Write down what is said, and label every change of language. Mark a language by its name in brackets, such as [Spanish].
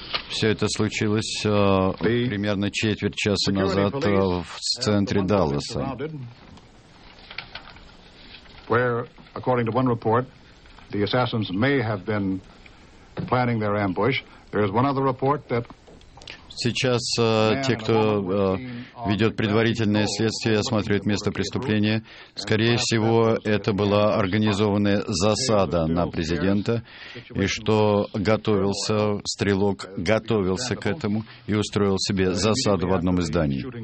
[Russian] Все это случилось примерно четверть часа назад в центре Далласа. [English] Where, according to one report, the assassins may have been planning their ambush. There is one other report that. [Russian] Сейчас те, кто ведет предварительное следствие, осматривают место преступления. Скорее всего, это была организованная засада на президента, и что готовился стрелок, готовился к этому и устроил себе засаду в одном из зданий.